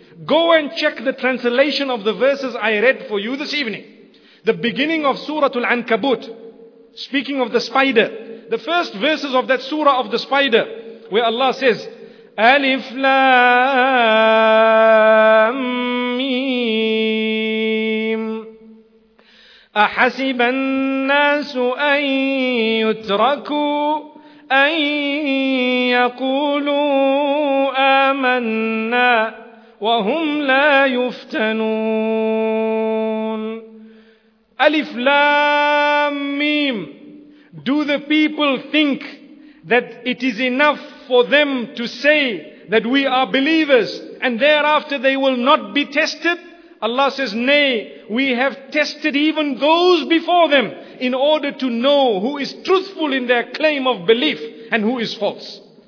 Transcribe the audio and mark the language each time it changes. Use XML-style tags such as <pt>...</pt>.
<en>Go and check the translation of the verses I read for you this evening. The beginning of Surah Al-Ankabut, speaking of the spider. The first verses of that surah of the spider, where Allah says, Alif Lam Mim.</en> <ar>أحسب الناس أن يتركوا أن يقولوا آمنا وهم لا يفتنون. Alif Lam Mim.</ar> <en>Do the people think that it is enough for them to say that we are believers and thereafter they will not be tested? Allah says, nay, we have tested even those before them in order to know who is truthful in their claim of belief and who is false.</en>